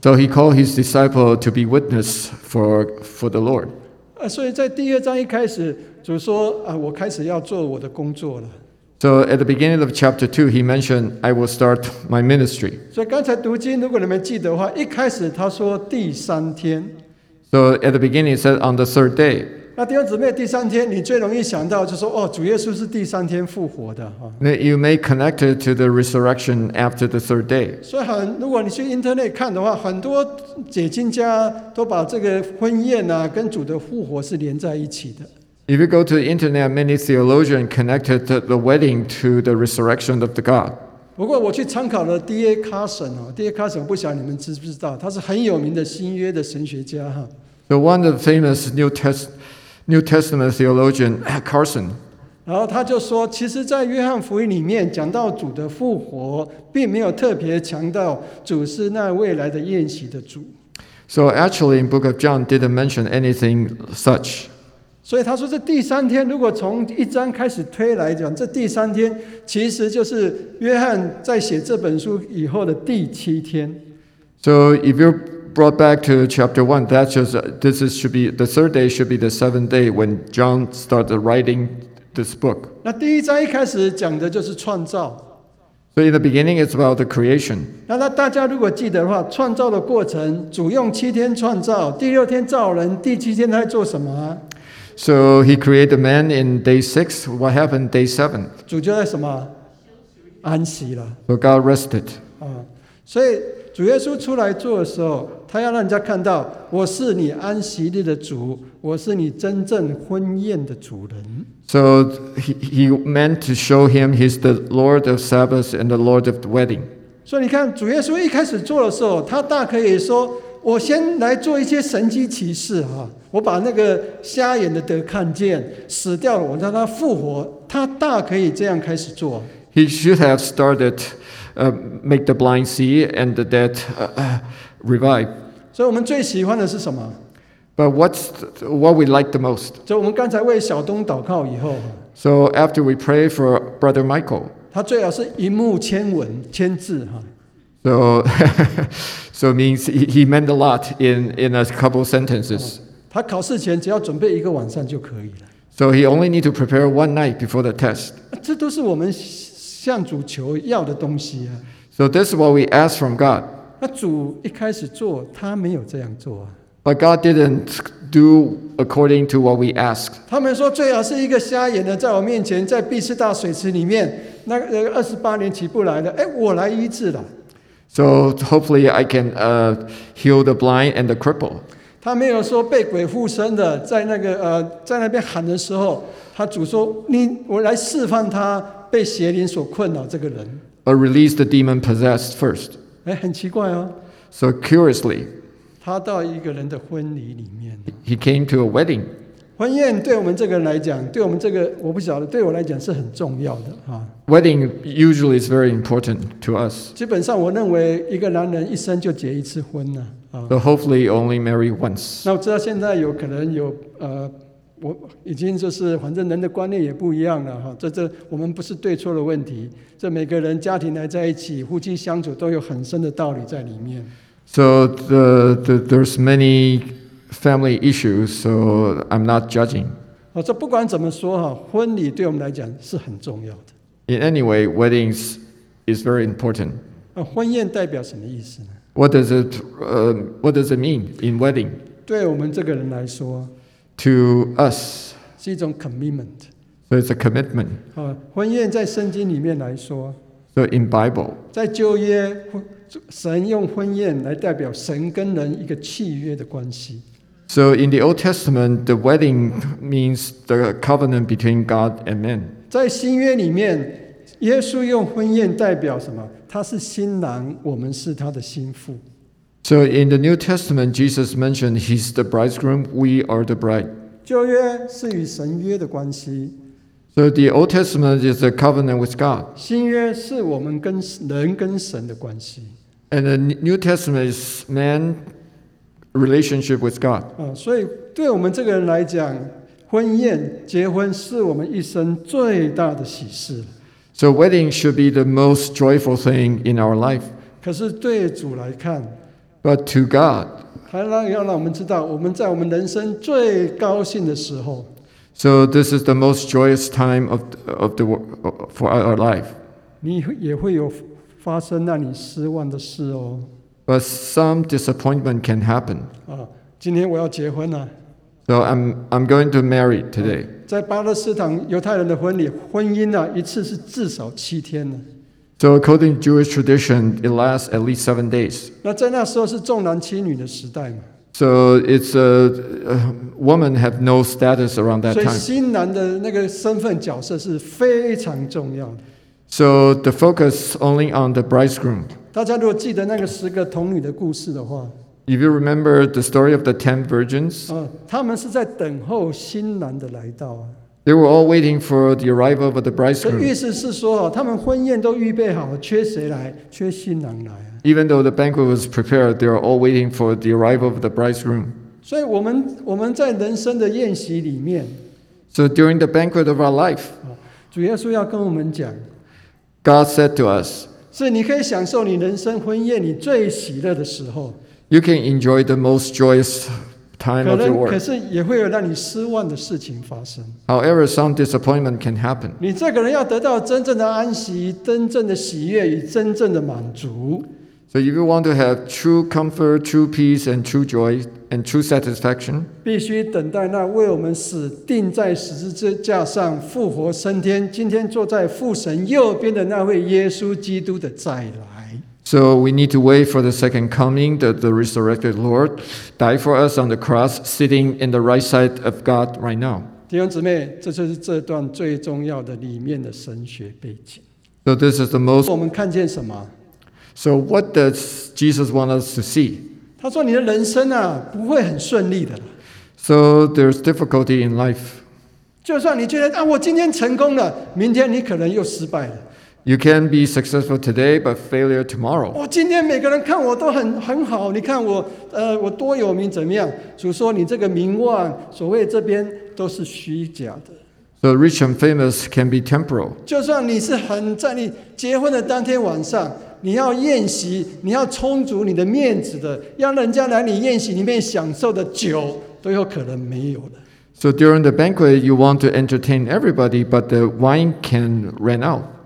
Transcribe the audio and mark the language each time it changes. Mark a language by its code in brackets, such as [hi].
[en] So he called his disciple to be witness for the Lord. [zh] 所以在第二章一开始，主说我开始要做我的工作了。 [en] So at the beginning of chapter 2, he mentioned, I will start my ministry. [zh] 所以刚才读经，如果你们记得的话，一开始他说第三天。 [en] So at the beginning, he said on the third day. [zh] 那弟兄姊妹，第三天，你最容易想到就说，哦，主耶稣是第三天复活的。 [en] Now you may connect it to the resurrection after the third day. [zh] 所以很，如果你去 internet 看的话，很多解经家都把这个婚宴啊，跟主的复活是连在一起的。 [en] If you go to the internet, many theologians connected the wedding to the resurrection of the God. [zh] 不过我去参考了 D.A. Carson 哦 ，D.A. Carson 不晓得你们知不知道，他是很有名的新约的神学家哈。 [en] The one of famous New Testament theologian Carson. [zh] 然后他就说，其实，在约翰福音里面讲到主的复活，并没有特别强调主是那未来的宴席的主。 [en] So actually, in Book of John, didn't mention anything such. [zh] 所以他说这第三天如果从一章开始推来讲这第三天其实就是约翰在写这本书以后的第七天。 [en] So if you're brought back to chapter 1, that's just, this is, should be, the third day should be the seventh day when John started writing this book. [zh] 那第一章一开始讲的就是创造。 [en] So in the beginning, it's about the creation. [zh] 那大家如果记得的话创造的过程主用七天创造第六天造人第七天他在做什么啊 [en] So he created man in day six. What happened day seven? [zh] 主就在什么？安息了。 [en] So God rested. [zh] 所以主耶稣出来做的时候，他要让人家看到，我是你安息日的主，我是你真正婚宴的主人。 [en] So he meant to show him he's the Lord of Sabbath and the Lord of the wedding. [zh] 所以你看，主耶稣一开始做的时候，他大可以说，我先来做一些神迹奇事啊。我把那个瞎眼的得看见，死掉了，我让他复活，他大可以这样开始做。 [en] He should have started, make the blind see and the dead, revive. [zh] 所以我们最喜欢的是什么 [en] ？But what we like the most? [zh] 所以我们刚才为小东祷告以后 [en] ，So after we pray for Brother Michael, [zh] 他最好是一目千文千字哈。 [en] So, so means he meant a lot in a couple sentences. [zh] 他考试前只要准备一个晚上就可以了。 [en] So he only need to prepare one night before the test. [zh] 这都是我们向主求要的东西啊。 [en] So this is what we ask from God. [zh] 那主一开始做，他没有这样做啊。 [en] But God didn't do according to what we ask. [zh] 他们说最好是一个瞎眼的在我面前，在毕士大水池里面，那个28年起不来的，哎，我来医治了。 [en] So hopefully I can heal the blind and the cripple. [zh] 他没有说被鬼附身的，在那个在那边喊的时候，他主说：“你我来释放他被邪灵所困扰这个人。” [en] Or release the demon possessed first. [zh] 哎，很奇怪哦。 [en] So curiously, [zh] 他到一个人的婚礼里面。 [en] He came to a wedding. [zh] 婚宴对我们这个人来讲，对我们这个我不晓得，对我来讲是很重要的啊。 [en] Wedding usually is very important to us. [zh] 基本上，我认为一个男人一生就结一次婚呢。 [en] So hopefully only marry once. [zh] 那我知道现在有可能有我已经就是反正人的观念也不一样了哈。这我们不是对错的问题，这每个人家庭来在一起，夫妻相处都有很深的道理在里面。 [en] So there's many family issues, so I'm not judging. [zh] 这不管怎么说，婚礼对我们来讲是很重要的。 [en] In any way, weddings is very important. [zh] 婚宴代表什么意思呢？ [en] What does it mean in wedding? [zh] 对我们这个人来说， [en] To us, [zh] 是一种 commitment. [en] So it's a commitment. [zh] 婚宴在圣经里面来说， [en] So in Bible, [zh] 在旧约，神用婚宴来代表神跟人一个契约的关系。 [en] So in the Old Testament, the wedding means the covenant between God and man. [zh] 在新约里面，耶稣用婚宴代表什么？他是新郎，我们是他的新妇。 [en] So in the New Testament, Jesus mentioned he's the bridegroom, we are the bride. [zh] 旧约是与神约的关系。 [en] So the Old Testament is a covenant with God. [zh] 新约是我们跟人跟神的关系。 [en] And the New Testament is man. Relationship with God. [zh] 所以对我们这个人来讲，婚宴结婚是我们一生最大的喜事。 [en] So wedding should be the most joyful thing in our life. [zh] 可是对主来看， [en] But to God, [zh] 他要让我们知道，我们在我们人生最高兴的时候。 [en] So this is the most joyous time of the for our life. [zh] 你也会有发生让你失望的事哦。 [en] But some disappointment can happen. [zh] 今天我要结婚了。 [en] So I'm going to marry today. [zh] 在巴勒斯坦犹太人的婚礼，婚姻一次是至少七天的。 [en] So according to Jewish tradition, it lasts at least 7 days. [zh] 那在那时候是重男轻女的时代嘛。 [en] So it's a woman have no status around that time. [zh] 所以新郎的那个身份角色是非常重要的。 [en] So the focus only on the bridegroom. [zh] 大家如果记得那个十个童女的故事的话， [en] If you remember the story of the 10 virgins, [zh] 他们是在等候新郎的来到。 [en] They were all waiting for the arrival of the bridegroom. [zh] 意思是说，他们婚宴都预备好，缺谁来？缺新郎来。 [en] Even though the banquet was prepared, they were all waiting for the arrival of the bridegroom. [zh] 所以我们在人生的宴席里面， [en] So during the banquet of our life, [zh] 主耶稣要跟我们讲， [en] God said to us, [zh] 是你可以享受你人生婚宴你最喜乐的时候。 [en] You can enjoy the most joyous time of your work. [zh] 可是也会有让你失望的事情发生。 [en] However, some disappointment can happen. [zh] 你这个人要得到真正的安息、真正的喜悦与真正的满足。 [en] So if you want to have true comfort, true peace, and true joy, and true satisfaction, [zh] 必须等待那为我们死、钉在十字架上、复活升天、今天坐在父神右边的那位耶稣基督的再来。 [en] So we need to wait for the second coming, the resurrected Lord, die for us on the cross, sitting in the right side of God right now. [zh] 弟兄姊妹，这就是这段最重要的里面的神学背景。 [en] So this is the most. [zh] 我们看见什么？ [en] So what does Jesus want us to see? [zh] 他说你的人生啊，不会很顺利的。 [en] So there's difficulty in life. [zh] 就算你觉得啊，我今天成功了，明天你可能又失败了。 [en] You can be successful today, but failure tomorrow. [zh] 我今天每个人看我都很好，你看我多有名怎么样？主说你这个名望，所谓这边都是虚假的。 [en] So rich and famous can be temporal. [zh] 就算你是很在你结婚的当天晚上。你要宴席，你要充足你的面子的，让人家来你宴席里面享受的酒都有可能没有了。 [en] So during the banquet, you want to entertain everybody, but the wine can run out.